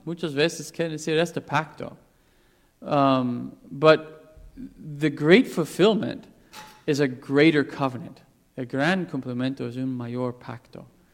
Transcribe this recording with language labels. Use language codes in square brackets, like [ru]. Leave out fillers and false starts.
[es] Muchas veces quieren decir este pacto. [en] But the great fulfillment is a greater covenant. [es] El gran cumplimiento es un mayor pacto.